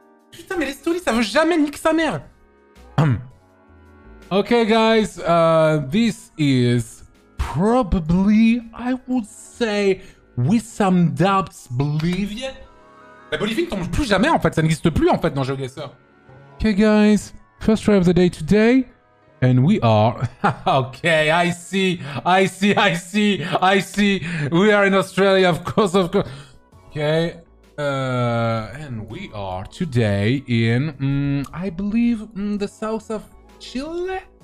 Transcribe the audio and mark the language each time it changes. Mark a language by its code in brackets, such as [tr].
[fr] Putain, mais l'Estonie, ça veut jamais niquer sa mère. [en] Okay, guys, this is probably, I would say, with some doubts, Bolivia. [fr] La Bolivie ne tombe plus jamais, en fait. Ça n'existe plus, en fait, dans Geoguessr. [en] Okay, guys, first try of the day today, and we are... Okay, I see. We are in Australia, of course. Okay, and we are today in, I believe, the south of Chile?